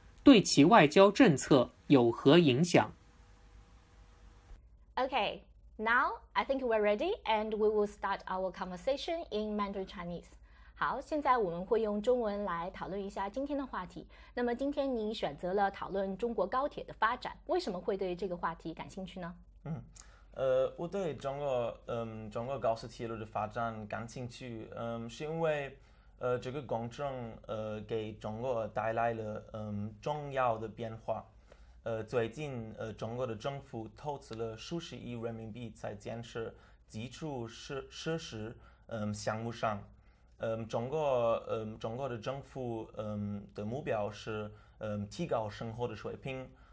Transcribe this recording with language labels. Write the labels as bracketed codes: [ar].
[zh] 中国成为亚洲铁路帝国,对其外交政策有何影响? [en] Okay, now I think we're ready and we will start our conversation in Mandarin Chinese. [zh] 好,现在我们会用中文来讨论一下今天的话题。那么今天您选择了讨论中国高铁的发展,为什么会对这个话题感兴趣呢? 我对中国高速铁路的发展感兴趣，是因为这个工程给中国带来了重要的变化。最近中国的政府投资了数十亿人民币在建设基础设施项目上。中国的政府的目标是提高生活的水平。